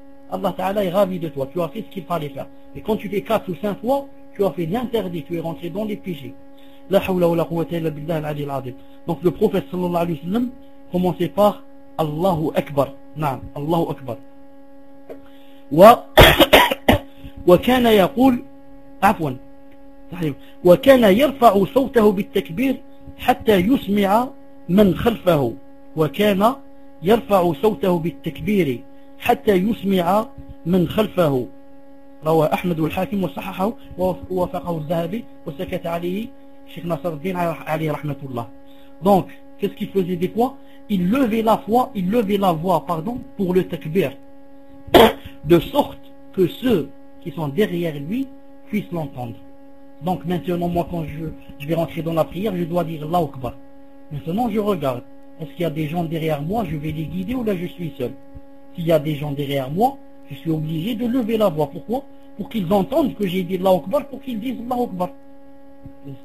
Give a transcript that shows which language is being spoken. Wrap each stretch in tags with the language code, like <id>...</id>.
<fr>Allah Ta'ala est ravi de toi. Tu as fait ce qu'il fallait faire. Et quand tu fais quatre ou cinq fois, tu as fait l'interdit. Tu es rentré dans les péchés.</fr> <ar>La hawla wa la quwwata illa billah al-ali al-azim.</ar> <fr>Donc, le prophète</fr> <ar>sallallahu alayhi wa sallam</ar> <fr>commençait par</fr> <ar>Allahu Akbar. Naam, Allahu Akbar. وكان يقول عفوا صحيح وكان يرفع صوته بالتكبير حتى يسمع من خلفه وكان يرفع صوته بالتكبير حتى يسمع من خلفه روى أحمد والحاكم وصححه ووافقه الذهبي وسكت عليه شيخ ناصر الدين عليه رحمة الله</ar> <fr>donc qu'est-ce qu'il faisait des fois il levait la voix pardon pour le takbir de sorte que ceux qui sont derrière lui puissent l'entendre. Donc maintenant, moi, quand je vais rentrer dans la prière, je dois dire « Allahu Akbar ». Maintenant, je regarde. Est-ce qu'il y a des gens derrière moi? Je vais les guider ou là, je suis seul? S'il y a des gens derrière moi, je suis obligé de lever la voix. Pourquoi? Pour qu'ils entendent que j'ai dit « Allahu Akbar », pour qu'ils disent « Allahu Akbar ».</fr>